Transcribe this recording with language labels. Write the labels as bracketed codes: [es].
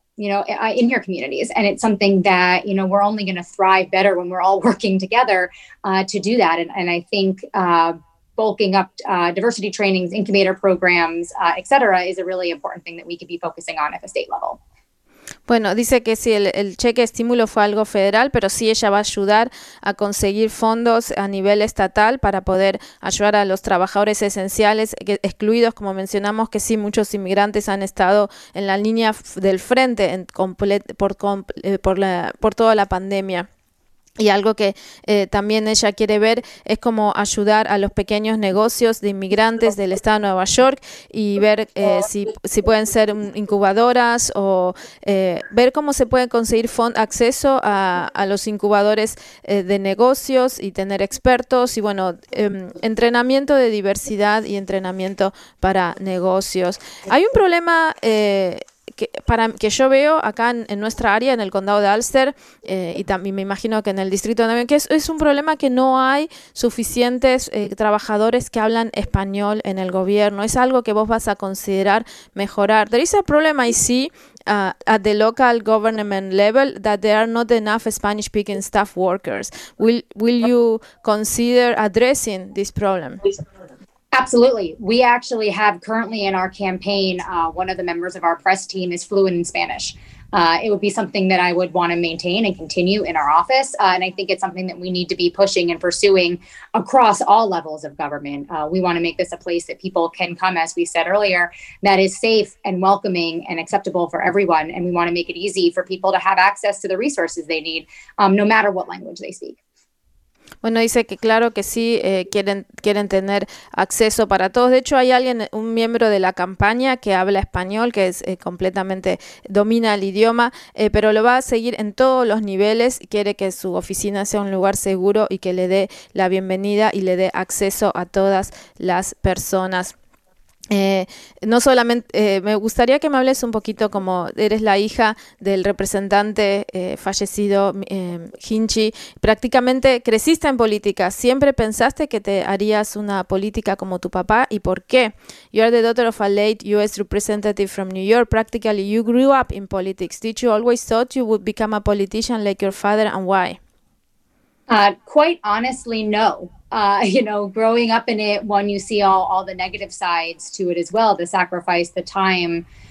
[en] You know, in your communities. And it's something that, you know, we're only going to thrive better when we're all working together to do that. And I think bulking up diversity trainings, incubator programs, et cetera, is a really important thing that we could be focusing on at the state level. [es] Bueno, dice que sí, el cheque de estímulo fue algo federal, pero sí ella va a ayudar a conseguir fondos a nivel estatal para poder ayudar a los trabajadores esenciales, que, excluidos, como mencionamos, que sí, muchos inmigrantes han estado en la línea del frente por toda la pandemia. Y algo que también ella quiere ver es cómo ayudar a los pequeños negocios de inmigrantes del estado de Nueva York y ver si pueden ser incubadoras o ver cómo se puede conseguir acceso a los incubadores de negocios y tener expertos y, bueno, entrenamiento de diversidad y entrenamiento para negocios. Hay un problema que yo veo acá en nuestra área, en el condado de Ulster, y también me imagino que en el distrito también, que es un problema que no hay suficientes trabajadores que hablan español en el gobierno. ¿Es algo que vos vas a considerar mejorar? [en] There is a problem I see at the local government level that there are not enough Spanish-speaking staff workers. Will you consider addressing this problem? Absolutely. We actually have currently in our campaign, one of the members of our press team is fluent in Spanish. It would be something that I would want to maintain and continue in our office. And I think it's something that we need to be pushing and pursuing across all levels of government. We want to make this a place that people can come, as we said earlier, that is safe and welcoming and acceptable for everyone. And we want to make it easy for people to have access to the resources they need, no matter what language they speak. [es] Bueno, dice que claro que sí, quieren tener acceso para todos. De hecho, hay alguien, un miembro de la campaña que habla español, que es completamente domina el idioma, pero lo va a seguir en todos los niveles. Quiere que su oficina sea un lugar seguro y que le dé la bienvenida y le dé acceso a todas las personas. No solamente, me gustaría que me hables un poquito, como eres la hija del representante fallecido Hinchi, prácticamente creciste en política, siempre pensaste que te harías una política como tu papá, ¿y por qué? [en] You are the daughter of a late U.S. representative from New York, practically you grew up in politics, did you always thought you would become a politician like your father and why? Quite honestly, no. You know, growing up in it, one, you see all the negative sides to it as well, the sacrifice, the time.